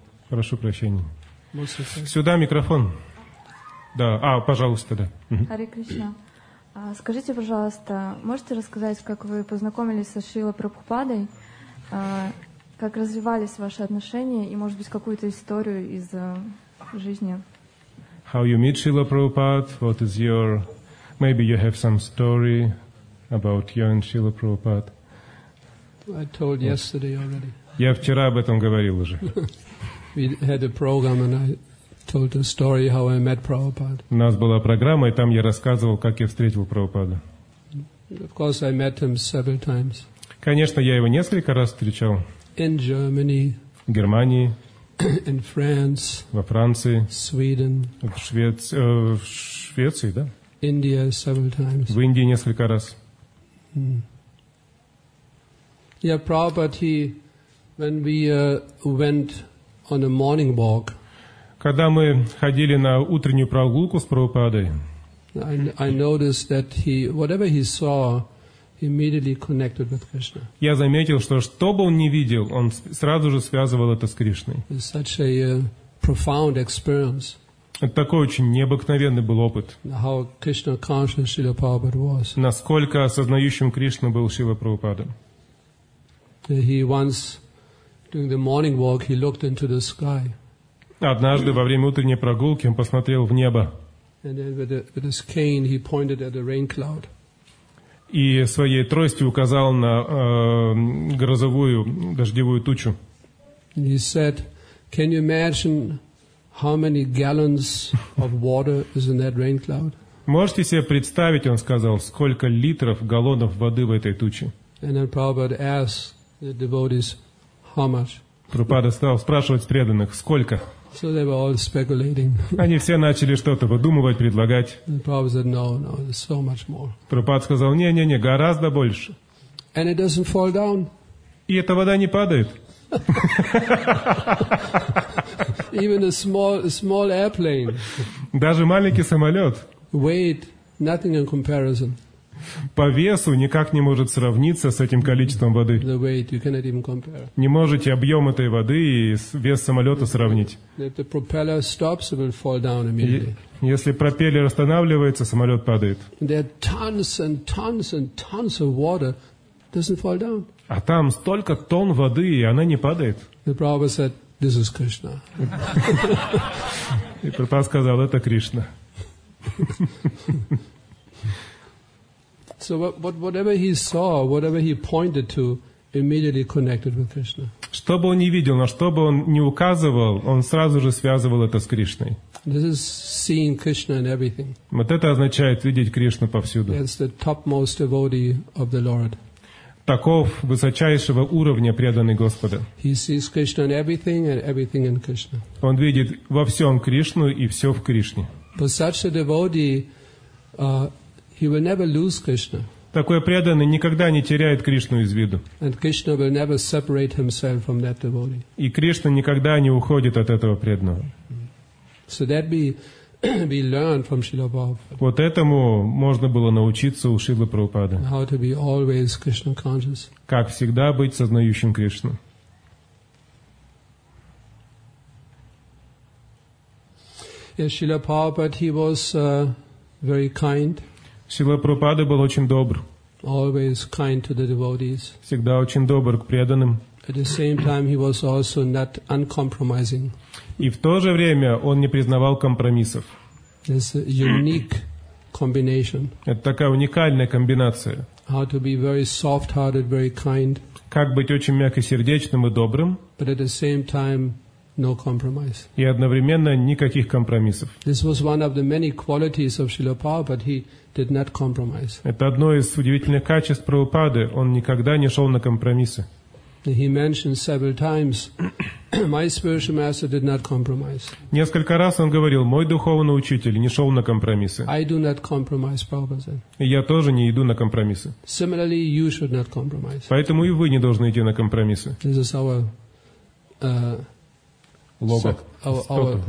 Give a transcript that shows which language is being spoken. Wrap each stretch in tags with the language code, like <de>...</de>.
<ru>Прошу прощения. Сюда микрофон. Да, пожалуйста, да. Харе Кришна. Скажите, пожалуйста, можете рассказать, как вы познакомились со Шрилой Прабхупадой, как развивались ваши отношения и, может быть, какую-то историю из жизни?</ru> <en>How you meet Srila Prabhupada? What is your... Maybe you have some story about you and Srila Prabhupada. I told yesterday already.</en> <ru>Я вчера об этом говорил уже.</ru> <en>We had a program and I... told a story how I met Prabhupada.</en> <ru>У нас была программа, и там я рассказывал, как я встретил Прабхупаду.</ru> <en>Of course, I met him several times.</en> <ru>Конечно, я его несколько раз встречал.</ru> <en>In Germany.</en> <ru>В Германии.</ru> <en>In France.</en> <ru>Во Франции.</ru> <en>Sweden.</en> <ru>В Швеции, да?</ru> <en>India several times.</en> <ru>В Индии несколько раз.</ru> <en>Yeah, Prabhupada, he, when we went on a morning walk.</en> <ru>Когда мы ходили на утреннюю прогулку с Прабхупадой.</ru> <en>I noticed that he, whatever he saw, he immediately connected with Krishna.</en> <ru>Я заметил, что что бы он ни видел, он сразу же связывал это с Кришной.</ru> <en>It's such a profound experience.</en> <ru>Это такой очень необыкновенный был опыт.</ru> <en>How Krishna conscious Srila Prabhupada was.</en> <ru>Насколько осознающим Кришна был Шрила Прабхупада.</ru> <en>He once during the morning walk he looked into the sky.</en> <ru>Однажды во время утренней прогулки он посмотрел в небо.</ru> <en>And then with his cane he pointed at a rain cloud.</en> <ru>И своей тростью указал на грозовую дождевую тучу.</ru> <en>He said, "Can you imagine how many gallons of water is in that rain cloud?"</en> <ru>Можете себе представить, он сказал, сколько литров, галлонов воды в этой туче?</ru> <en>And then Prabhupada asked the devotees, "How much?"</en> <ru>Прабхупада стал спрашивать преданных, сколько?</ru> <en>So they were all speculating.</en> <ru>Они все начали что-то выдумывать, предлагать.</ru> <en>Prabhupada said, no, so much more.</en> <ru>Прабхупада сказал, не, гораздо больше.</ru> <en>And it doesn't fall down.</en> <ru>И эта вода не падает.</ru> <en>Even a small airplane.</en> <ru>Даже маленький самолет.</ru> <en>Weight, nothing in comparison.</en> <ru>По весу никак не может сравниться с этим количеством воды.</ru> <en>The weight, you cannot even compare.</en> <ru>Не можете объем этой воды и вес самолета сравнить.</ru> <en>If the propeller stops, it will fall down immediately.</en> <ru>Если пропеллер останавливается, самолет падает.</ru> <en>There are tons and tons and tons of water, doesn't fall down.</en> <ru>А там столько тонн воды, и она не падает.</ru> <en>The Prabhupada said, "This is Krishna."</en> <ru>И Прабхупада сказал, это Кришна.</ru> <en>So whatever he saw, whatever he pointed to, immediately connected with Krishna.</en> <ru>Что бы он ни видел, на что бы он ни указывал, он сразу же связывал это с Кришной.</ru> <en>This is seeing Krishna in everything.</en> <ru>Вот это означает видеть Кришну повсюду.</ru> <en>That's the topmost devotee of the Lord.</en> <ru>Таков высочайшего уровня преданный Господа.</ru> <en>He sees Krishna in everything and everything in Krishna.</en> <ru>Он видит во всем Кришну и все в Кришне.</ru> <en>But such a devotee, he will never lose Krishna.</en> <ru>Такой преданный никогда не теряет Кришну из виду.</ru> <en>And Krishna will never separate himself from that devotee.</en> <ru>И Кришна никогда не уходит от этого преданного.</ru> <en>So that we learn from Srila Prabhupada.</en> <ru>Вот этому можно было научиться у Шрилы Прабхупады.</ru> <en>How to be always Krishna conscious.</en> <ru>Как всегда быть сознающим Кришну.</ru> <en>Yes, Srila Prabhupada, he was very kind.</en> <ru>Шрила Прабхупада был очень добр.</ru> <en>Always kind to the devotees.</en> <ru>Всегда очень добр к преданным.</ru> <en>At the same time, he was also not uncompromising.</en> <ru>И в то же время он не признавал компромиссов.</ru> <en>It's a unique combination.</en> <ru>Это такая уникальная комбинация.</ru> <en>How to be very soft-hearted, very kind.</en> <ru>Как быть очень мягкосердечным и добрым.</ru> <en>But at the same time, no compromise.</en> <ru>И одновременно никаких компромиссов.</ru> <en>This was one of the many qualities of Srila Prabhupada. He did not compromise.</en> <ru>Это одно из удивительных качеств Прабхупады. Он никогда не шел на компромиссы.</ru> <en>He mentioned several times, "My spiritual master did not compromise."</en> <ru>Несколько раз он говорил, мой духовный учитель не шел на компромиссы.</ru> <en>I do not compromise, Prabhupada said.</en> <ru>И я тоже не иду на компромиссы.</ru> <en>Similarly, you should not compromise.</en> <ru>Поэтому и вы не должны идти на компромиссы.</ru> <en>This is our лого. Our</en>